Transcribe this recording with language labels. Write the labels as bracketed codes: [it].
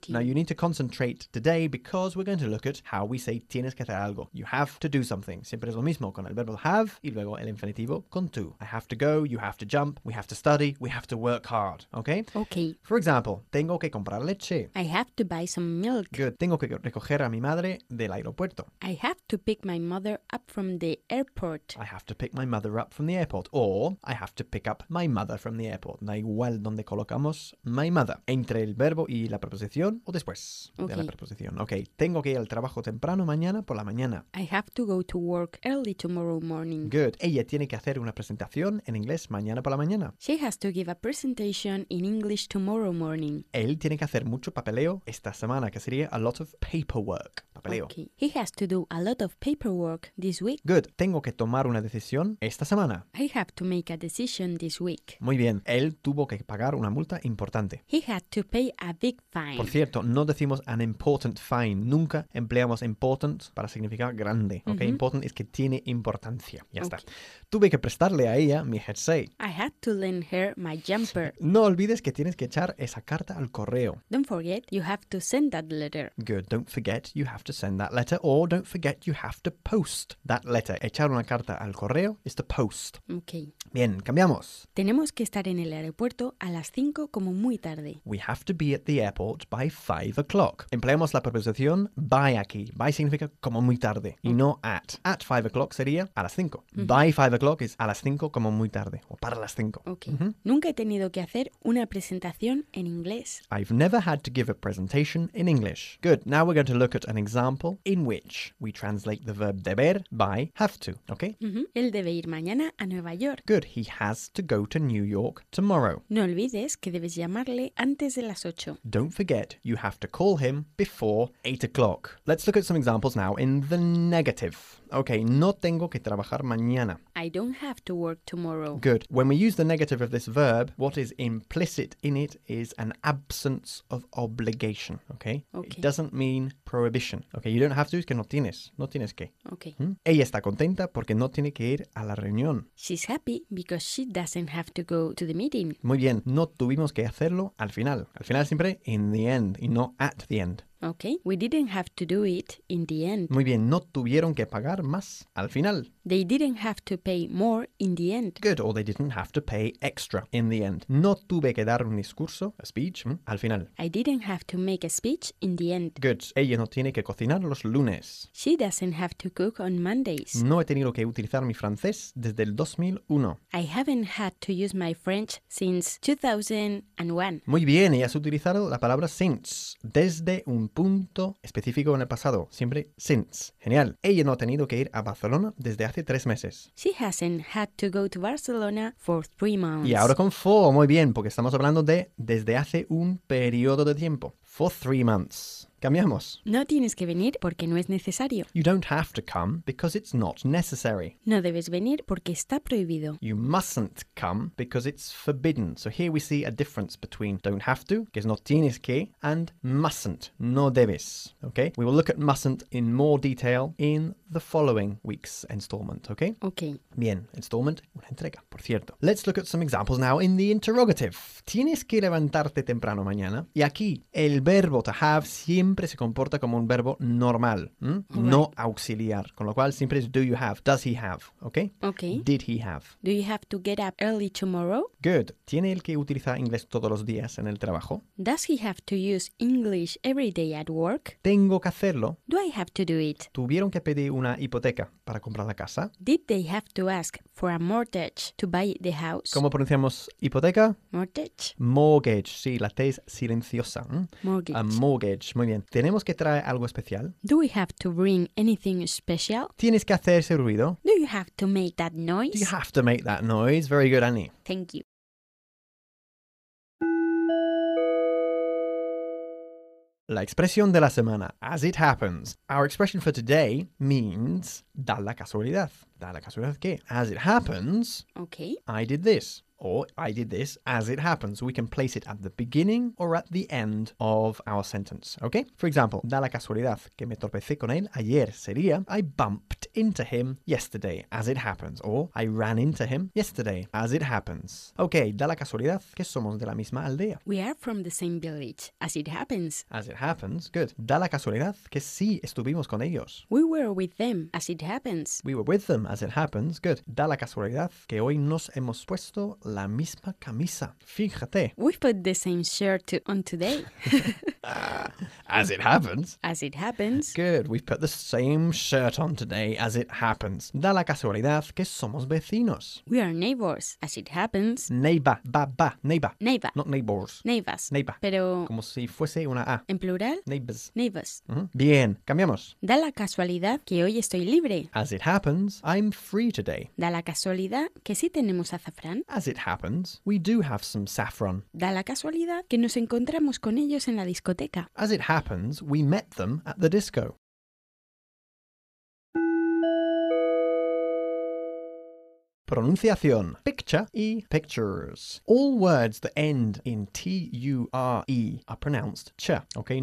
[en] Good. Now you need to concentrate today because we're going to look at how we say [es] tienes que hacer algo. [en] You have to do something. [es] Siempre es lo mismo con el verbo have y luego el infinitivo con tú. [en] I have to go. You have to jump. We have to study. We have to work hard. Okay? Okay. For example, [es] tengo que comprar leche. [en] I have to buy some milk. Good. [es] Tengo que recoger a mi madre del aeropuerto. [en] I have to pick my mother up from the airport. I have to pick my mother up from the airport. Or, I have to pick up my mother from the airport. [es] Da igual donde colocamos [en] my mother. [es] Entre el verbo y la preposición o después de la preposición. Okay. Tengo que ir al trabajo temprano mañana por la mañana. [en] I have to go to work early tomorrow morning. Good. [es] Ella tiene que hacer una presentación en inglés mañana por la mañana. [en] She has to give a presentation in English tomorrow morning. [es] Él tiene que hacer mucho papeleo esta semana, que sería [en] a lot of paperwork. [es] Papeleo. [en] Okay. He has to do a lot of paperwork this week. Good. [es] Tengo que tomar una decisión esta semana. [en] I have to make a decision this week. [es] Muy bien. Él tuvo que pagar una multa importante. [en] He had to pay a big fine. [es] Por cierto, no decimos [en] an important fine. [es] Nunca empleamos important para significar grande. Okay? Mm-hmm. Important es que tiene importancia. Ya está. Tuve que prestarle a ella mi jersey. [en] I had to lend her my jumper. [es] No olvides que tienes que echar esa carta al correo. [en] Don't forget, you have to send that letter. Good, don't forget, you have to send that letter. Or don't forget, you have to post that letter. [es] Echar una carta al correo [en] is to post. Okay. [es] Bien, cambiamos. Tenemos que estar en el aeropuerto a las 5 como muy tarde. [en] We have to be at the airport by 5 o'clock. [es] Empleamos la preposición by aquí. By significa como muy tarde y no at. [en] At 5 o'clock [es] sería a las 5. Mm-hmm. [en] By 5 o'clock [es] es a las 5 como muy tarde o para las 5. [en] Okay. Mm-hmm. [es] Nunca he tenido que hacer una presentación en inglés. [en] I've never had to give a presentation in English. Good, now we're going to look at an example in which we translate the verb deber by have to, okay? [es] Mm-hmm. Él debe ir mañana a Nueva York. [en] Good, he has to go to New York tomorrow. [es] No olvides que debes llamarle antes de las 8. [en] Don't forget, you have to call him before 8 o'clock. Let's look at some examples now in the negative. [es] Okay, no tengo que trabajar mañana. [en] I don't have to work tomorrow. Good. When we use the negative of this verb, what is implicit in it is an absence of obligation, okay? Okay. It doesn't mean prohibition. Okay, you don't have to, [es] es que no tienes. No tienes que. [en] Okay. [es] Ella está contenta porque no tiene que ir a la reunión. [en] She's happy because she doesn't have to go to the meeting. [es] Muy bien. No tuvimos que hacerlo al final. Al final siempre [en] in the end [es] y no [en] at the end. Okay, we didn't have to do it in the end. [es] Muy bien, no tuvieron que pagar más al final. [en] They didn't have to pay more in the end. Good, or they didn't have to pay extra in the end. [es] No tuve que dar un discurso, [en] a speech, [es] al final. [en] I didn't have to make a speech in the end. Good, [es] ella no tiene que cocinar los lunes. [en] She doesn't have to cook on Mondays. [es] No he tenido que utilizar mi francés desde el 2001. [en] I haven't had to use my French since 2001. [es] Muy bien, y has utilizado la palabra since, desde un punto específico en el pasado, siempre since. Genial. Ella no ha tenido que ir a Barcelona desde hace 3 meses. [en] She hasn't had to go to Barcelona for 3 months. [es] Y ahora con for, muy bien, porque estamos hablando de desde hace un periodo de tiempo. [en] For 3 months. [es] Cambiamos. No tienes que venir porque no es necesario. [en] You don't have to come because it's not necessary. [es] No debes venir porque está prohibido. [en] You mustn't come because it's forbidden. So here we see a difference between don't have to, [es] que es no tienes que, [en] and mustn't, [es] no debes. [en] Okay? We will look at mustn't in more detail in the following week's installment, okay? Okay. [es] Bien, installment, una entrega, por cierto. [en] Let's look at some examples now in the interrogative. [es] Tienes que levantarte temprano mañana. Y aquí, el verbo to have siempre se comporta como un verbo normal, no auxiliar. Con lo cual, siempre es [en] do you have, does he have, okay? Okay. Did he have. Do you have to get up early tomorrow? Good. [es] ¿Tiene el que utilizar inglés todos los días en el trabajo? [en] Does he have to use English every day at work? [es] ¿Tengo que hacerlo? [en] Do I have to do it? [es] ¿Tuvieron que pedir una hipoteca para comprar la casa? [en] Did they have to ask for a mortgage to buy the house? [es] ¿Cómo pronunciamos hipoteca? [en] Mortgage. [es] Mortgage. Sí, la T es silenciosa. [en] Mortgage. A mortgage. [es] Muy bien. ¿Tenemos que traer algo especial? [en] Do we have to bring anything special? [es] ¿Tienes que hacer ese ruido? [en] Do you have to make that noise? Do you have to make that noise? Very good, Annie. Thank you. [es] La expresión de la semana, [en] as it happens. Our expression for today means, [es] da la casualidad. Da la casualidad que, [en] as it happens, okay. I did this. Or, I did this as it happens. We can place it at the beginning or at the end of our sentence, okay? For example, [es] da la casualidad que me tropecé con él ayer sería, [en] I bumped into him yesterday, as it happens. Or, I ran into him yesterday, as it happens. [es] Okay, da la casualidad que somos de la misma aldea. [en] We are from the same village, as it happens. As it happens, good. [es] Da la casualidad que sí estuvimos con ellos. [en] We were with them, as it happens. We were with them, as it happens, good. [es] Da la casualidad que hoy nos hemos puesto la misma camisa. Fíjate. [en] We put the same shirt on today. As it happens. As it happens. Good. We put the same shirt on today as it happens. [es] Da la casualidad que somos vecinos. [en] We are neighbors. As it happens. Neighbor. Ba. Neighbor. Neighbor. Not neighbors. Neighbors. Neighbor. [es] Pero... como si fuese una A. En plural. [en] Neighbors. Neighbors. [es] Mm-hmm. Bien. Cambiamos. Da la casualidad que hoy estoy libre. [en] As it happens, I'm free today. [es] Da la casualidad que sí tenemos azafrán. [en] As it happens, we do have some saffron. [es] Da la casualidad que nos encontramos con ellos en la discoteca. [en] As it happens, we met them at the disco. Pronunciación, picture y pictures. All words that end in T-U-R-E are pronounced ch, okay?